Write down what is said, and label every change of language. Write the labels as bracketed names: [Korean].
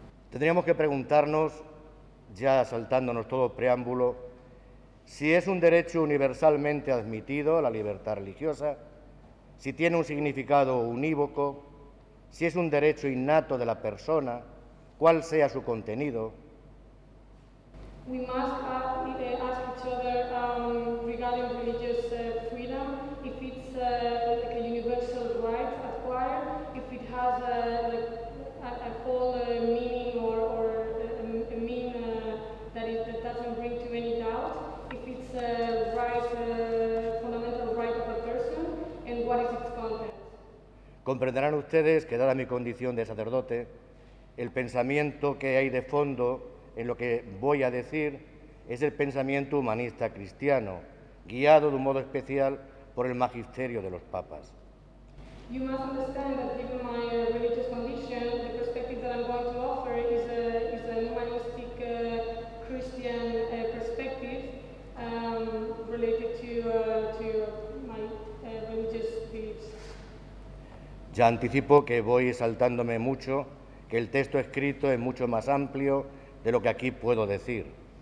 [Spanish] Tendríamos que preguntarnos, ya saltándonos todo preámbulo, si es un derecho universalmente admitido, la libertad religiosa, si tiene un significado unívoco, si es un derecho innato de la persona, cuál sea su contenido. [English] We must ask each other regarding religious freedom, if it's like a universal right acquired, if it has a whole meaning or a mean that doesn't bring to any doubt, if it's a right, fundamental right of a person, and what is its content. [Spanish] Comprenderán ustedes que, dada mi condición de sacerdote, el pensamiento que hay de fondo en lo que voy a decir es el pensamiento humanista cristiano, guiado de un modo especial por el magisterio de los papas. [English] You must understand that given my religious condition, the perspective that I'm going to offer is a humanistic Christian perspective related to my religious beliefs. [Spanish] Ya anticipo que voy saltándome mucho, que el texto escrito es mucho más amplio de lo que aquí puedo decir.